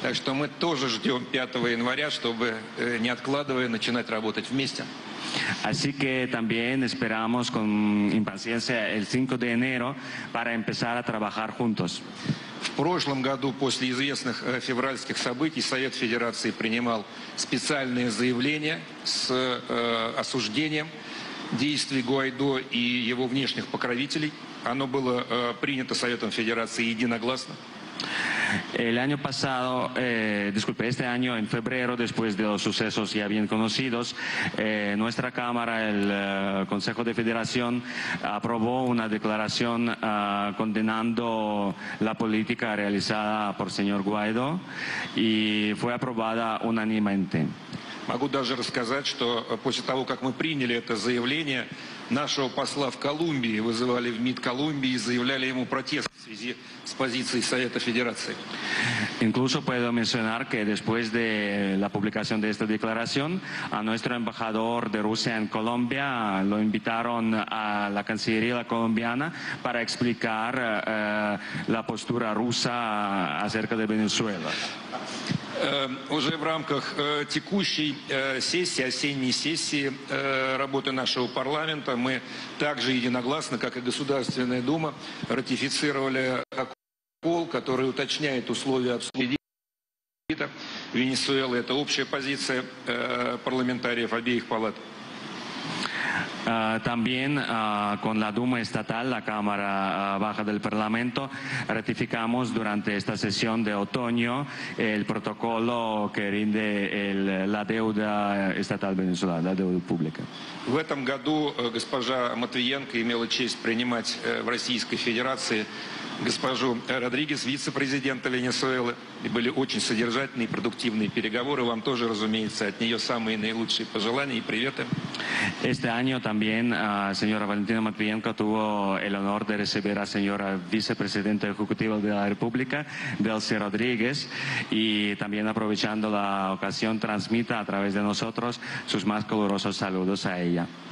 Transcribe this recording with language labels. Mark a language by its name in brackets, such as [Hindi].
[Russian] Так что мы тоже ждем 5 января, чтобы, не откладывая, начинать работать вместе. [Spanish] Así que también esperamos con impaciencia el 5 de enero para empezar a trabajar juntos. [Russian] В прошлом году, после известных февральских событий, Совет Федерации принимал специальные заявления с осуждением действий Гуайдо и его внешних покровителей. Оно было принято Советом Федерации единогласно. [Spanish] El año pasado, este año en febrero, después de los sucesos ya bien conocidos, nuestra Cámara, el Consejo de Federación, aprobó una declaración condenando la política realizada por señor Guaidó y fue aprobada unánimemente. [Russian] Могу даже рассказать, что после того, как мы приняли это заявление, нашего посла в Колумбии вызывали в МИД Колумбии и заявляли ему протест в связи с позицией Совета Федерации. [Spanish] Incluso puedo mencionar que después de la publicación de esta declaración, a nuestro embajador de Rusia en Colombia lo invitaron a la Cancillería colombiana para explicar la postura rusa acerca de Venezuela. [Russian] Уже в рамках текущей сессии, осенней сессии работы нашего парламента, мы также единогласно, как и Государственная Дума, ратифицировали протокол, который уточняет условия обсуждения Венесуэлы. Это общая позиция парламентариев обеих палат. [Spanish] También con la Duma Estatal, la Cámara Baja del Parlamento, ratificamos durante esta sesión de otoño el protocolo que rinde la deuda estatal venezolana, la deuda pública. [Russian] В этом году госпожа Матвиенко имела честь принимать в Российской Федерации госпожу Родригес, вице-президента Венесуэлы. И были очень содержательные и продуктивные переговоры. Вам тоже, разумеется, от нее самые наилучшие пожелания и приветы. [Spanish] Este año también señora Valentina Matviyenko tuvo el honor de recibir a señora vicepresidenta ejecutiva de la República, Delcy Rodríguez, y también aprovechando la ocasión transmita a través de nosotros sus más calurosos saludos a ella.